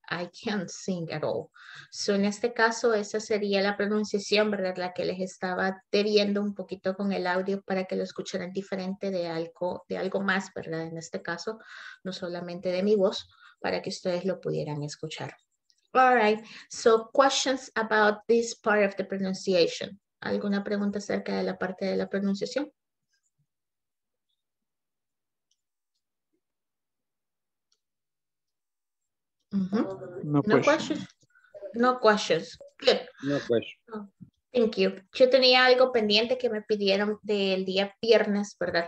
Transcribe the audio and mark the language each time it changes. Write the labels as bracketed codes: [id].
[en] I can't sing at all. So, [es] en este caso, esa sería la pronunciación, ¿verdad? La que les estaba debiendo un poquito con el audio para que lo escucharan diferente de algo más, ¿verdad? En este caso, no solamente de mi voz, para que ustedes lo pudieran escuchar. [en] All right, so questions about this part of the pronunciation. [es] ¿Alguna pregunta acerca de la parte de la pronunciación? [en] No questions. Good. No questions. Thank you. [es] Yo tenía algo pendiente que me pidieron del día viernes, ¿verdad?